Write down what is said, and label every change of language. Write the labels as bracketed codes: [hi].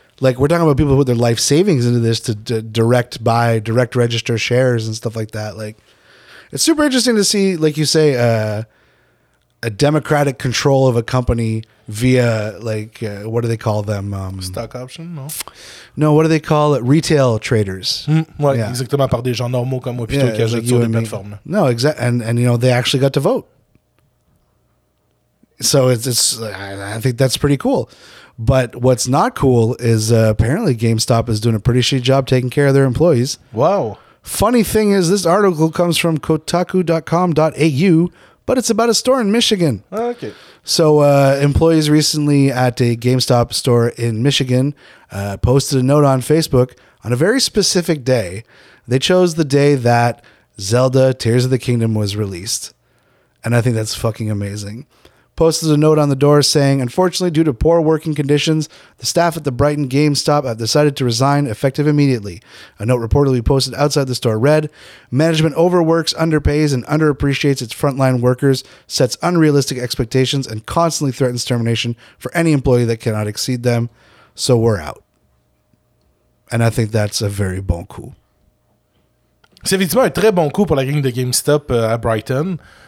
[en] Like, we're talking about people who put their life savings into this to direct buy, direct register shares and stuff like that. Like, it's super interesting to see, like you say, a democratic control of a company via, like, what do they call them? Stock option? No. No, what do they call it? Retail traders. [fr] Exactement, par des gens normaux comme moi, plutôt qui achètent sur des plateformes. [en] No, exactly. And, you know, they actually got to vote. So it's I think that's pretty cool. But what's not cool is apparently GameStop is doing a pretty shitty job taking care of their employees. Wow. Funny thing is, this article comes from kotaku.com.au, but it's about a store in Michigan. Okay. So employees recently at a GameStop store in Michigan posted a note on Facebook on a very specific day. They chose the day that Zelda Tears of the Kingdom was released. And I think that's fucking amazing. Posted a note on the door saying, unfortunately, due to poor working conditions, the staff at the Brighton GameStop have decided to resign effective immediately. A note reportedly posted outside the store read, management overworks, underpays, and underappreciates its frontline workers, sets unrealistic expectations, and constantly threatens termination for any employee that cannot exceed them. So we're out. And I think that's a very [fr] bon coup. C'est effectivement un très bon coup pour la gang de GameStop à Brighton.